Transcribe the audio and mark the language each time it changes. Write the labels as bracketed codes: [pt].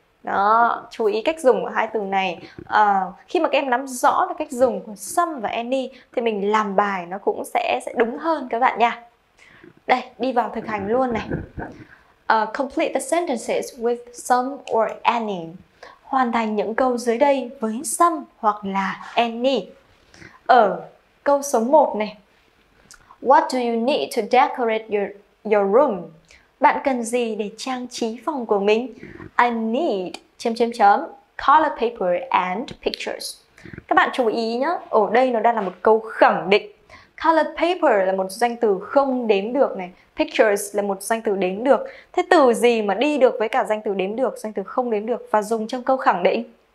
[vi] Đó, chú ý cách dùng của hai từ này. Khi mà các em nắm rõ được cách dùng của some và any thì mình làm bài nó cũng sẽ đúng hơn các bạn nha. Đây, đi vào thực hành luôn này. [en] Complete the sentences with some or any. [vi] Hoàn thành những câu dưới đây với some hoặc là any. Ở câu số 1 này. [en] What do you need to decorate your room? [vi] Bạn cần gì để trang trí phòng của mình? [en] I need color paper and pictures. [vi] Các bạn chú ý nhé, ở đây nó đang là một câu khẳng định. Color paper là một danh từ không đếm được này. Pictures là một danh từ đếm được. Thế từ gì mà đi được với cả danh từ đếm được, danh từ không đếm được và dùng trong câu khẳng định?